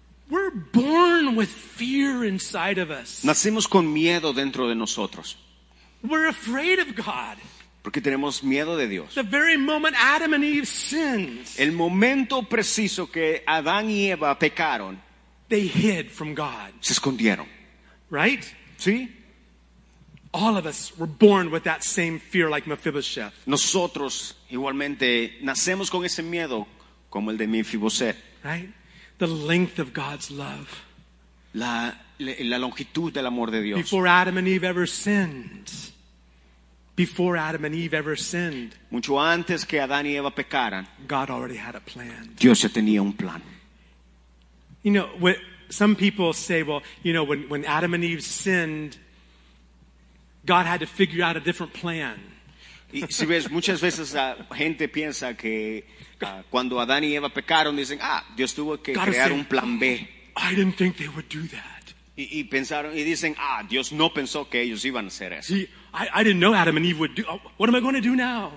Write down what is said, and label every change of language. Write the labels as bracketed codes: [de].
[en] We're born with fear inside of us. [es] Nacemos con miedo dentro de nosotros. [en] We're afraid of God. [es] Porque tenemos miedo de Dios. [en] The very moment Adam and Eve sinned. [es] El momento preciso que Adán y Eva pecaron. [en] They hid from God. [es] Se escondieron. [en] Right? [es] Sí. [en] All of us were born with that same fear like Mephibosheth. [es] Nosotros igualmente nacemos con ese miedo como el de Mephibosheth. [en] Right? The length of God's love. [es] La longitud del amor de Dios. [en] Before Adam and Eve ever sinned. Before Adam and Eve ever sinned. [es] Mucho antes que Adán y Eva pecaran. [en] God already had a plan. [es] Dios ya tenía un plan. [en] You know, when some people say, well, you know, when Adam and Eve sinned, God had to figure out a different plan. [es] Y si ves, muchas veces la gente piensa que cuando Adán y Eva pecaron, dicen, ah, Dios tuvo que [en] God [es] crear un plan B. [en] I didn't think they would do that. [es] Y pensaron, y dicen, ah, Dios no pensó que ellos iban a hacer eso. [en] I didn't know Adam and Eve would do, what am I going to do now?